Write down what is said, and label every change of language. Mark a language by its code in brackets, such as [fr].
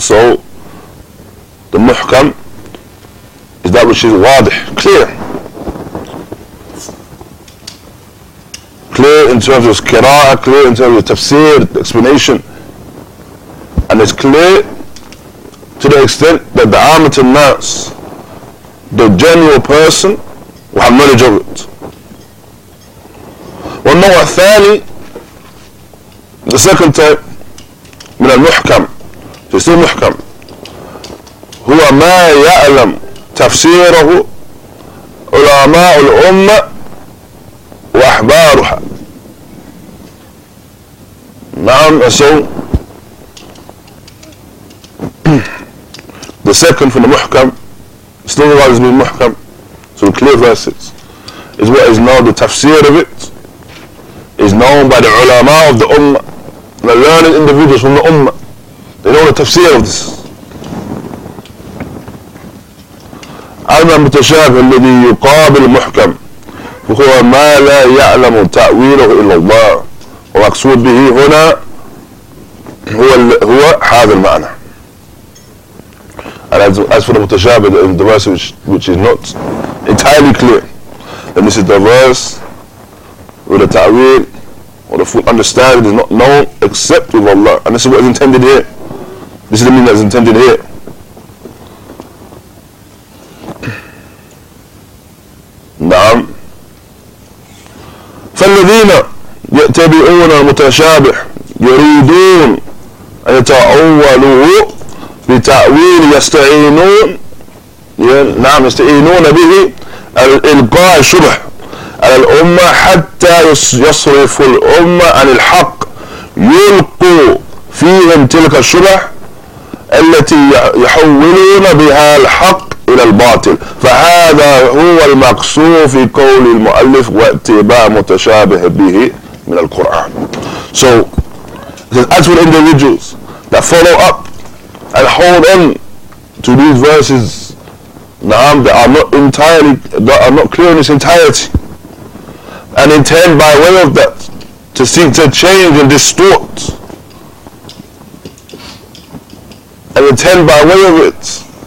[en] So the muhkam is that which is wadih, clear in terms of qira'ah, clear in terms of tafsir, explanation, and it's clear to the extent that the amateur nas, the general person, will have knowledge of it. [ar] والنوع الثاني, [en] the second type [ar] من المحكم, just المحكم, هو ما يعلم تفسيره علماء الأمة وأحبارها. نعم. [en] So the second from المحكم, still what is being محكم, so the clear verses is what is now the tafsir of it, is known by the ulama of the ummah, the learned individuals from the ummah. They know the tafsir of this. [ar] أما المتشابه الذي يقابل المحكم فهو ما لا يعلم تأويله إلا الله. ومقصود به هنا هو هذا المعنى. [en] And as for the متشابه, the verse which is not entirely clear, then this is the verse with the ta'wil, or the full understanding is not known except with Allah. And this is what is intended here. This is the meaning that is intended here. [ar] نعم. فالذين يتبعون المتشابه يريدون أن يتأولوا بتأويل يستعينون, نعم, يستعينون به الإلقاء الشبه على الأمة حتى يصرف الأمة عن الحق, يلقوا فيهم تلك الشبه التي يحولون بها الحق إلى الباطل. فهذا هو المقصود في قول المؤلف واتباع متشابه به من القرآن. [en] So as for individuals that follow up and hold on to these verses, نعم, that are not clear in its entirety, and intend by way of that to seek to change and distort, and intend by way of it